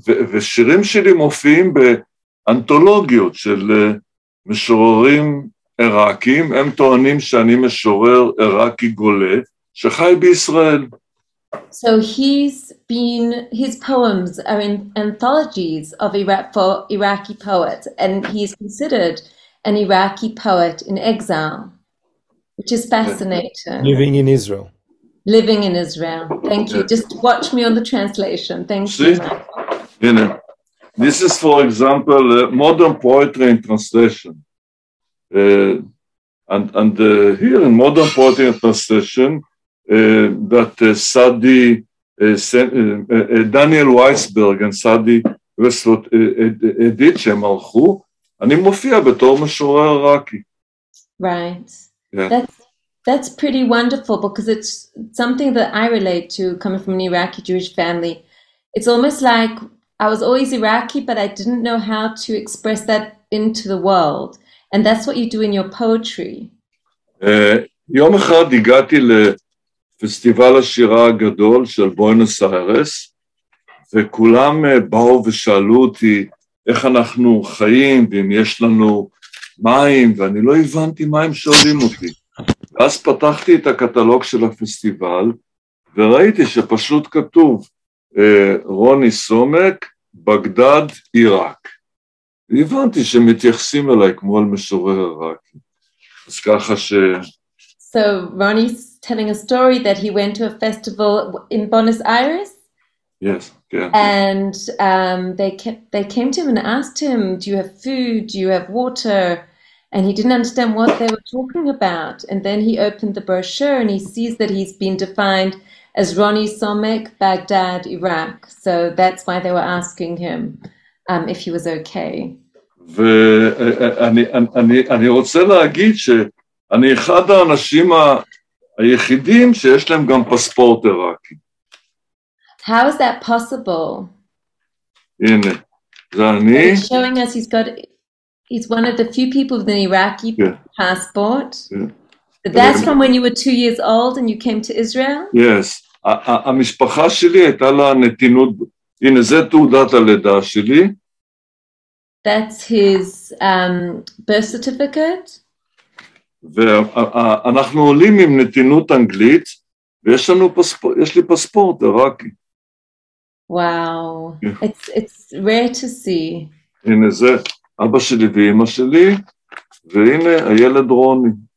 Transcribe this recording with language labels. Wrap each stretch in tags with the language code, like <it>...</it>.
<he>ושירים שלי מופיעים באנתולוגיות של משוררים עיראקים, הם טוענים שאני משורר עיראקי גולה שחי בישראל.</he> <en>So his poems are in anthologies of Iraqi poets, and he is considered an Iraqi poet in exile, which is fascinating. Living in Israel. Living in Israel. Thank you. Just watch me on the translation. Thank you. See? This is, for example, modern poetry in translation. And here in modern poetry in translation, Daniel Weisberg and Sadi Weslot edit Shemalchu,</en> <he>אני מופיע בתור משורר עיראקי.</he> <en>Right. That's pretty wonderful, because it's something that I relate to, coming from an Iraqi Jewish family. It's almost like I was always Iraqi, but I didn't know how to express that into the world. And that's what you do in your poetry.</en> <he>יום אחד הגעתי לפסטיבל השירה הגדול של בוינוס איירס, וכולם באו ושאלו אותי איך אנחנו חיים, ואם יש לנו מים, ואני לא הבנתי מה הם שואלים אותי. ואז פתחתי את הקטלוג של הפסטיבל, וראיתי שפשוט כתוב, רוני סומק, בגדד, עיראק. והבנתי שמתייחסים אליי כמו על משורר עיראקי. אז ככה ש...</he> <en>So, Ronny's telling a story that he went to a festival in Buenos Aires? Yes. Yeah. And they came to him and asked him, do you have food, do you have water? And he didn't understand what they were talking about. And then he opened the brochure and he sees that he's been defined as Ronny Someck, Baghdad, Iraq. So that's why they were asking him if he was okay. And I want to say that I'm one of the only people who have also Iraqi passport. How is that possible?</en> <he>הנה, זה אני.</he> <en>He's showing us he's one of the few people with an Iraqi passport. Yeah. But that's from when you were 2 years old and you came to Israel? Yes.</en> <he>המשפחה שלי הייתה לה נתינות, הנה, זה תעודת הלידה שלי.</he> <en>That's his birth certificate.</en> <he>ואנחנו עולים עם נתינות אנגלית, ויש לנו פספורט, יש לי פספורט עיראקי.</he> <en>Wow, yeah. It's rare to see.</en> <he>הנה זה אבא שלי ואמא שלי, והנה הילד רוני.</he>